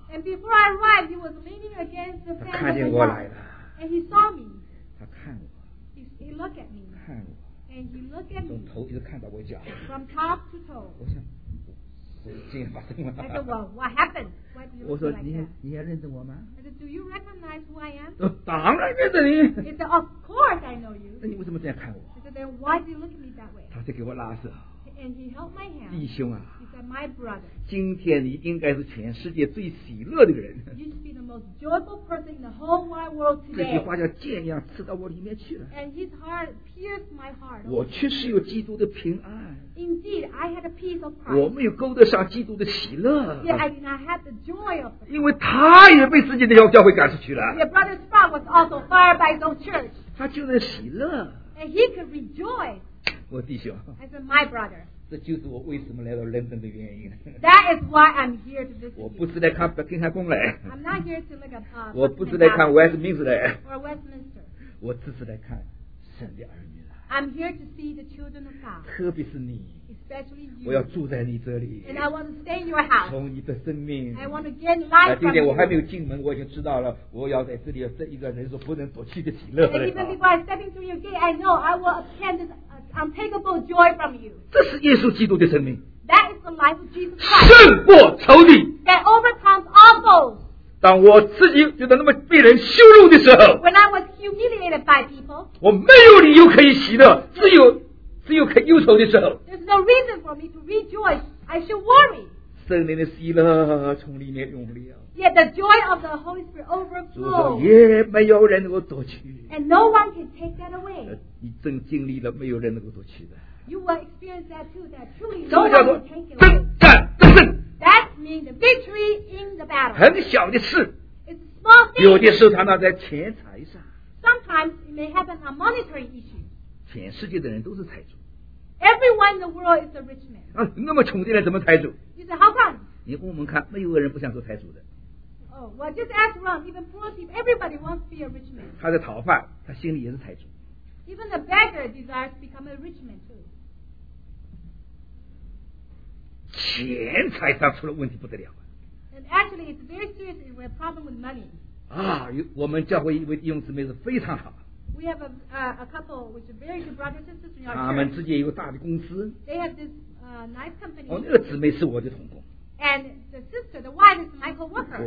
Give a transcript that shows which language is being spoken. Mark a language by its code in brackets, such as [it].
[en] And before I arrived, he was leaning against the fence. [zh] 他看见我来了。 [en] And he saw me. [zh] 他看我。 [en] He looked at me. [zh] 看我。 [en] And he looked at me. [zh] 从头一直看到我脚。 [en] From top to toe. [zh] 我想，我今天发生了。 [en] I said, "Well, what happened? Why do you look like that?" [zh] 我说，你还认得我吗 [en] ？I said, "Do you recognize who I am?" [zh] 当然认得你。 [en] He said, "Of course, I know you." [zh] 那你为什么这样看我 [en] ？He said, "Then why do you look at me that way?" [zh] 他在给我拉手。 [en] And he held my hand. [zh] 弟兄啊。 [en] He said, "My brother." [zh] 今天你应该是全世界最喜乐的人。 [en] You should be the most joyful person in the whole wide world today. [zh] 这句话像箭一样刺到我里面去了。 [en] And his heart pierced my heart. [zh] 我确实有基督的平安。 [en] Indeed, I had a peace of Christ. [zh] 我没有勾得上基督的喜乐。 [en] Yet I did not have the joy of it. [zh] 因为他也被自己的教会赶出去了。 [en] Your brother's father was also fired by his own church. [zh] 他就能喜乐。 [en] And he could rejoice. [zh] 我弟兄 [en] I said, my brother, [zh] 这就是我为什么来到 London 的原因 [en] That is why I'm here to visit you [zh] 我不是来看北京汉宫来 [en] I'm not here to look at [zh] 我不是来看 Westminster 来 [en] or Westminster [zh] 我只是来看神的儿女来 [en] I'm here to see the children of God [zh] 特别是你 [en] especially you [zh] 我要住在你这里 [en] and I want to stay in your house [zh] 从你的生命 [en] I want to gain life from you [zh] 今天我还没有进门我已经知道了我要在这里这一个人所不能躲去的喜乐 [en] and even before I step into your gate I know I will obtain thisUntakeable joy from you. [zh] 这是耶稣基督的生命。 [en] That is the life of Jesus Christ. [zh] 胜过仇敌。 [en] That overcomes all foes. [zh] 当我自己觉得那么被人羞辱的时候 [en] ，When I was humiliated by people, [zh] 我没有理由可以喜乐，只有可以忧愁的时候 [en] ，There's no reason for me to rejoice. I should worry. [zh] 圣灵的喜乐从里面涌流。 [en] Yet the joy of the Holy Spirit overflows. [zh] 主说也没有人能够夺去。 [en] And no one can take that away. [zh] 你正经历了没有人能够夺去的。 [en] You will experience that too. That truly no one can take it away. [zh] 什么叫做征战得胜 [en] ？That means the victory in the battle. [zh] 很小的事。 [en] It's small things. [zh] 有的事常常在钱财上。 [en] Sometimes it may happen on monetary issues. [zh] 全世界的人都是财主。 [en] Everyone in the world is a rich man. [zh] 那么穷的人怎么财主 [en] ？You say how come? [zh] 你问问看，没有个人不想做财主的。 [en] just ask around. Even poor people, everybody wants to be a rich man. [zh] 他是讨饭，他心里也是财主。 [en] Even the beggar desires to become a rich man too. [zh] 钱财上出了问题不得了。 [en] And actually, it's very serious. We have a problem with money. [zh] 啊，我们教会一位弟兄姊妹是非常好。 [en] We have a couple which are very good brothers and sisters in our church. [zh] 他们自己也有大的公司。 [en] They have this nice company. [zh] 哦，那个姊妹是我的同工。 [en] And the sister, the wife is my co-worker.